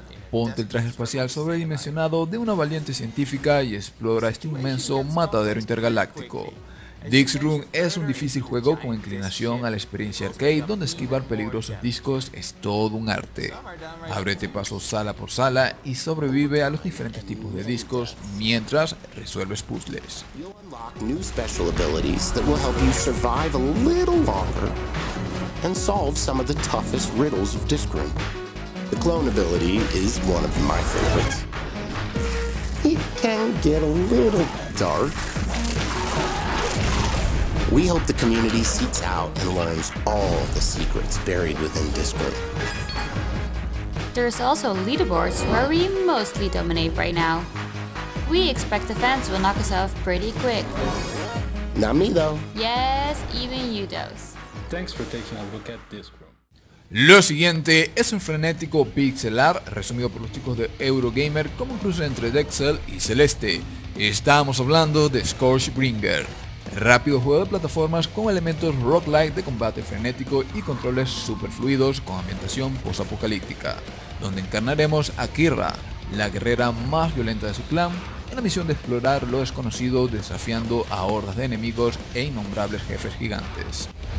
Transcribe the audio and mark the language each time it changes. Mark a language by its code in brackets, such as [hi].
[es] Ponte el traje espacial sobredimensionado de una valiente científica y explora este inmenso matadero intergaláctico. Dixroom es un difícil juego con inclinación a la experiencia arcade donde esquivar peligrosos discos es todo un arte. Ábrete paso sala por sala y sobrevive a los diferentes tipos de discos mientras resuelves puzzles. [en] New special abilities that will help you survive a little longer and solve some of the toughest riddles of disc room. The clone ability is one of my favorites. It can get a little dark. We hope the community seeks out and learns all the secrets buried within disc room. There's also leaderboards where we mostly dominate right now. We expect the fans will knock us off pretty quick. Not me though. Yes, even you does. Thanks for taking a look at this room. [es] Lo siguiente es un frenético pixel art resumido por los chicos de Eurogamer como un cruce entre Dexel y Celeste. Estamos hablando de Scorchbringer. Rápido juego de plataformas con elementos roguelike de combate frenético y controles superfluidos con ambientación posapocalíptica, donde encarnaremos a Kira, la guerrera más violenta de su clan, en la misión de explorar lo desconocido desafiando a hordas de enemigos e innombrables jefes gigantes.